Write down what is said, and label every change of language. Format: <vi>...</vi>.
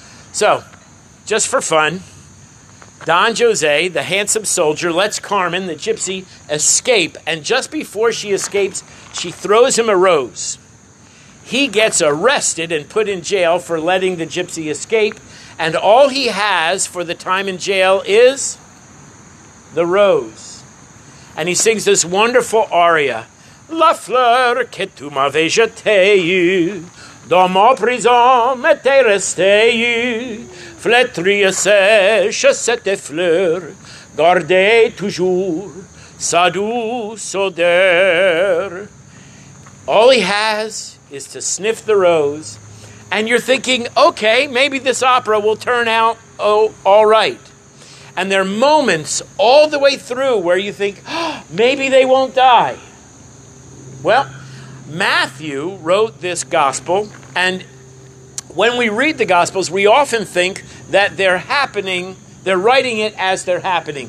<en>So, just for fun, Don José, the handsome soldier, lets Carmen, the gypsy, escape. And just before she escapes, she throws him a rose. He gets arrested and put in jail for letting the gypsy escape. And all he has for the time in jail is the rose. And he sings this wonderful aria.</en> <fr>La fleur que tu m'avais jetée, dans ma prison m'était restée. Flétrie sèche cette fleur, gardez toujours sa douce odeur.</fr> <en>All he has is to sniff the rose, and you're thinking, okay, maybe this opera will turn out all right. And there are moments all the way through where you think, oh, maybe they won't die. Well, Matthew wrote this gospel, and when we read the Gospels, we often think that they're happening, they're writing it as they're happening.</en>